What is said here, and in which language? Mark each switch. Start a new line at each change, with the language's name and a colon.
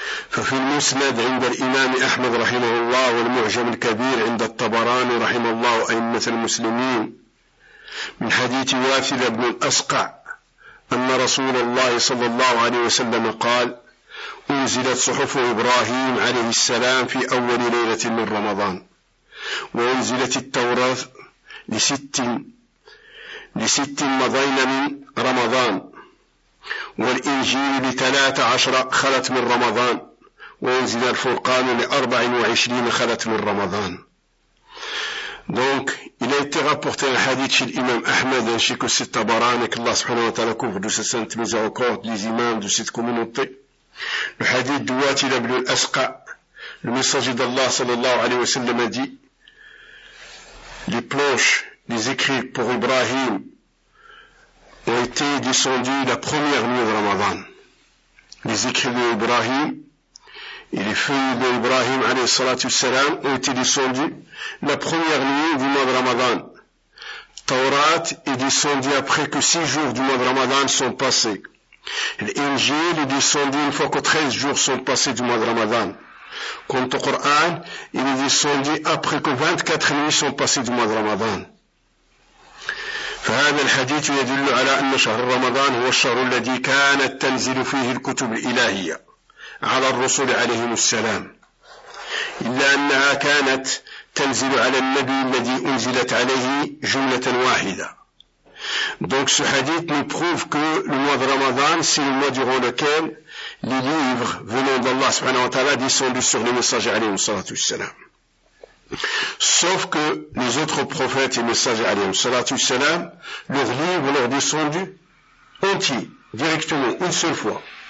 Arabic: ففي المسند عند الإمام أحمد رحمه الله والمعجم الكبير عند الطبراني رحمه الله أئمة المسلمين من حديث وافد بن الأسقع أن رسول الله صلى الله عليه وسلم قال أنزلت صحف إبراهيم عليه السلام في أول ليلة من رمضان، وأنزلت التوراة لست مضين من رمضان، والإنجيل 13 خلت من رمضان، وأنزل الفرقان 24 خلت من رمضان.
French: Donc, il a été rapporté un hadith chez l'imam Ahmed ainsi que chez Tabarani, que Allah subhanahu wa ta'ala couvre de sa sainte miséricorde les imams de cette communauté. Le hadith de Watil ibn al-Asqa, le messager d'Allah sallallahu alayhi wa sallam a dit, les planches, les écrits pour Ibrahim ont été descendues la première nuit de Ramadan. Les écrits de Ibrahim Il est fini de Ibrahim alayhi salatu salam ont été descendus la première nuit du mois de Ramadan. Taurat est descendu après que 6 jours du mois de Ramadan sont passés. L'Injil est descendu une fois que 13 jours sont passés du mois de Ramadan. Quant au Coran, il est descendu après que 24 nuits sont passées du mois de Ramadan.
Arabic: فهذا الحديث يدل على أن شهر رمضان هو الشهر الذي كانت تنزل فيه الكتب الإلهية على الرسل عليهم السلام، إلا أنها كانت تنزل على النبي الذي أنزلت عليه جملة واحدة.
French: Donc ce hadith nous prouve que le mois de Ramadan, c'est le mois durant lequel les livres venant d'Allah subhanahu wa ta'ala descendent sur les messagers alayhi salatu wassalam. Sauf que les autres prophètes et messagers alayhi salatu wassalam, leurs livres leur descendus entiers, directement, une seule fois.